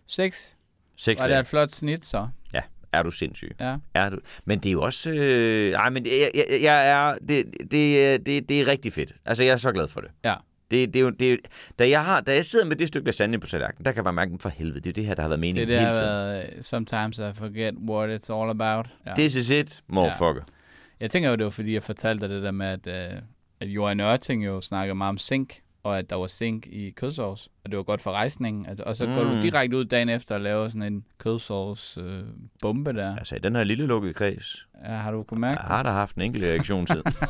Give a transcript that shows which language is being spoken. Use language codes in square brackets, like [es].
[da] Seks. Og det er et flot snit, så. Ja, er du sindssyg. Ja. Er du... Men det er jo også... Ej, men jeg er... Det er rigtig fedt. Altså, jeg er så glad for det. Ja. Da jeg sidder med det stykke lasagne på tallerkenen, der kan man mærke, for helvede, det er det her, der har været meningen hele tiden. Det er det, [en] sometimes I forget what it's all about. [da] Ja. [en] This is it, motherfucker. [da] Ja. Jeg tænker jo, det var fordi, jeg fortalte dig det der med, at Johan Ørting jo snakkede meget om zink, og at der var zink i kødsauce, og det var godt for rejsningen. Og så går du direkte ud dagen efter og laver sådan en kødsauce-bombe der. Altså i den her lille lukkede kreds. Ja, har du kunnet mærke det? Jeg har da haft en enkelt reaktion siden.